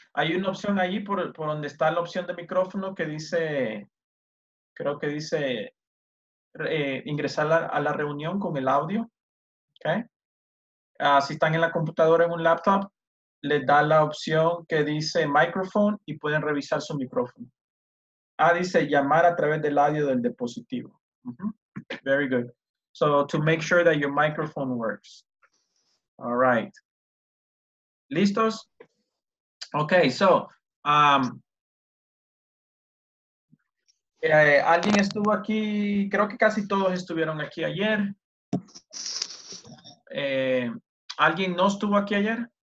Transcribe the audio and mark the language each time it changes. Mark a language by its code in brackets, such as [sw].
[es] Hay una opción ahí por donde está la opción de micrófono que dice, creo que dice ingresar a la reunión con el audio. Okay. Si están en la computadora o en un laptop, les da la opción que dice microphone y pueden revisar su micrófono. Ah, dice llamar a través del audio del dispositivo. Uh-huh. [en] Very good. So to make sure that your microphone works. All right. [es] ¿Listos? Okay, so alguien estuvo aquí, creo que casi todos estuvieron aquí ayer. ¿Alguien no estuvo aquí ayer?